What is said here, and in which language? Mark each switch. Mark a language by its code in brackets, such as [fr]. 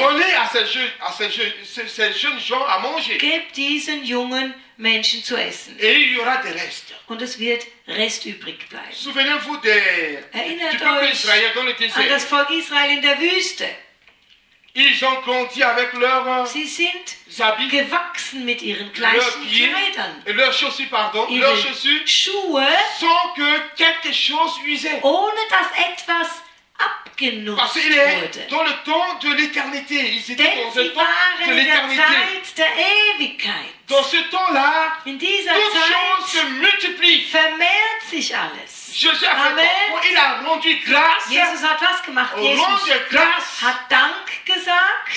[fr] Donnez à ces jeunes gens à manger. [de] Gebt diesen jungen Menschen zu essen. [fr] Et il y aura des restes. [de] Und es wird Rest übrig bleiben. [fr] Souvenez-vous du peuple d'Israël dans le désert. [de] In der Wüste. [fr] Ils ont grandi avec leurs [de] habits, gewachsen mit ihren gleichen Kleidern, [fr] leurs chaussures, sans que quelque chose usait. [de] Ohne dass etwas abgenutzt [fr] Parce [de] wurde. [fr] Dans le temps de l'éternité, ils étaient [de] Denn [fr] dans le temps de l'éternité. [de] Der Zeit der Ewigkeit. [fr] Dans ce temps-là, [de] In dieser [fr] toute [de] Zeit [fr] chose se multiplie. [de] Vermehrt sich alles. [fr] Jésus a fait quoi? Il a rendu grâce. [de] Jesus hat was gemacht. Jesus hat Dank gesagt.